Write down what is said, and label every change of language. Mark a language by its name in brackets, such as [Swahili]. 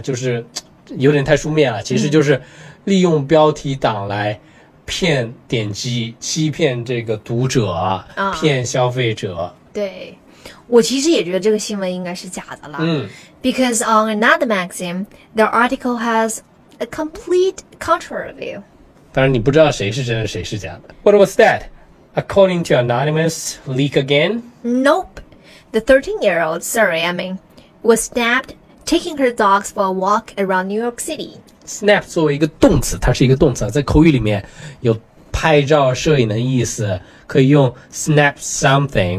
[Chinese] 就是有点太书面了，其实就是利用标题党来骗点击，欺骗这个读者，骗消费者。对，我其实也觉得这个新闻应该是假的了。 [English] Because on another magazine, the article has a complete contrary view. [Chinese] 当然你不知道谁是真的，谁是假的。 [English] What was that? According to anonymous leak again? Nope. The 13-year-old, Surrey, I mean, was snapped taking her dogs for a walk around New York City. [Chinese] Snap 作为一个动词，它是一个动词，在口语里面有拍照摄影的意思，可以用 snap something。